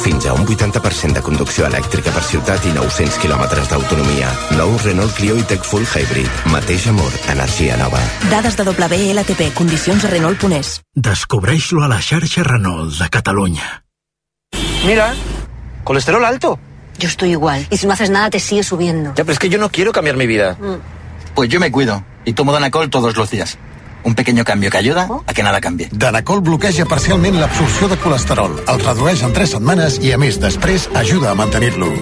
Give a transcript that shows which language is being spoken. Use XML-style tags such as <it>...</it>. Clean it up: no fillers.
<ca>Fins a un 80% de conducció elèctrica per ciutat i 900 km d'autonomia. Nou Renault Clio E-Tech Full Hybrid. Mateix amor, energia nova. Dades de WLTP, condicions a Renault.es. Descobreix-lo a la xarxa Renault de Catalunya.</ca> <es>Mira, colesterol alto. Yo estoy igual, y si no haces nada te sigue subiendo. Ya, pero es que yo no quiero cambiar mi vida. Pues yo me cuido y tomo Danacol todos los días. Un pequeño cambio que ayuda a que nada cambie.</es> <ca>Danacol bloqueja parcialment l'absorció de colesterol. El redueix en 3 setmanes i, a més, després ajuda a mantenir-lo.</ca>